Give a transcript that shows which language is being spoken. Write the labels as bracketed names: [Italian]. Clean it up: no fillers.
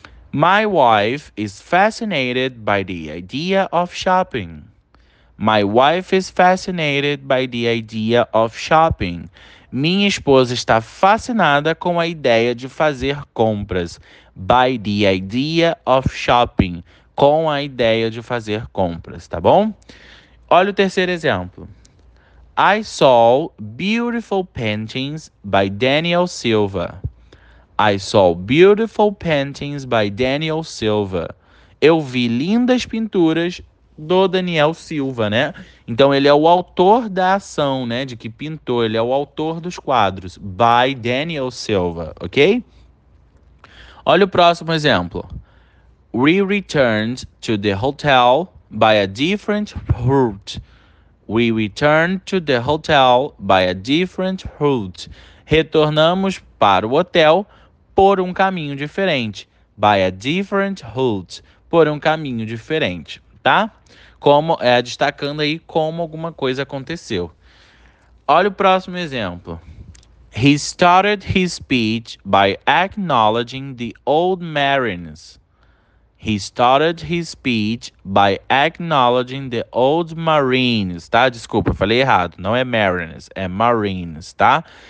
[English] My wife is fascinated by the idea of shopping. My wife is fascinated by the idea of shopping. [Portuguese] Minha esposa está fascinada com a ideia de fazer compras. [English] By the idea of shopping. [Portuguese] Com a ideia de fazer compras, tá bom? Olha o terceiro exemplo. [English] I saw beautiful paintings by Daniel Silva. I saw beautiful paintings by Daniel Silva. [Portuguese] Eu vi lindas pinturas do Daniel Silva, né? Então, ele é o autor da ação, né? De que pintou. Ele é o autor dos quadros. [English] By Daniel Silva, [Portuguese] ok? Olha o próximo exemplo. [English] We returned to the hotel by a different route. We returned to the hotel by a different route. [Portuguese] Retornamos para o hotel por um caminho diferente. [English] By a different route. [Portuguese] Por um caminho diferente, tá? Como é destacando aí como alguma coisa aconteceu. Olha o próximo exemplo. [English] He started his speech by acknowledging the old Marines. He started his speech by acknowledging the old Marines, [Portuguese] tá? Desculpa, falei errado. Não é Marines, é Marines, tá?